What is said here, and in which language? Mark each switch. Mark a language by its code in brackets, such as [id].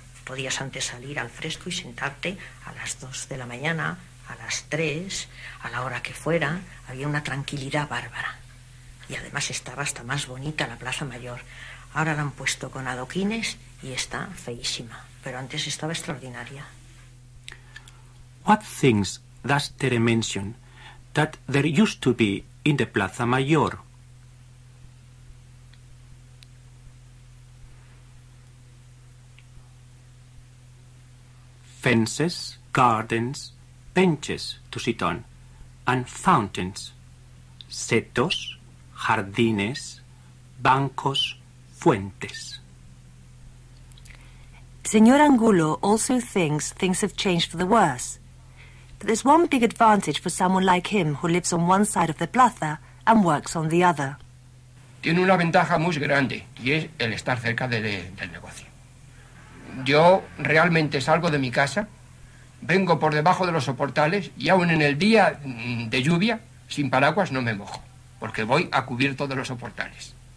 [es] Podías antes salir al fresco y sentarte a las 2 de la mañana, a las 3, a la hora que fuera. Había una tranquilidad bárbara. Y además estaba hasta más bonita la Plaza Mayor. Ahora la han puesto con adoquines y está feísima. Pero antes estaba extraordinaria. [en] What things does Tere mention that there used to be in the Plaza Mayor? Fences, gardens, benches to sit on, and fountains, [es] setos, jardines, bancos, fuentes. [en] Señor Angulo also thinks things have changed for the worse. But there's one big advantage for someone like him who lives on one side of the plaza and works on the other. [es] Tiene una ventaja muy grande, y es el estar cerca del negocio. Yo realmente salgo de mi casa, vengo por debajo de los soportales y aún en el día de lluvia, sin paraguas, no me mojo, porque voy a cubierto de los soportales.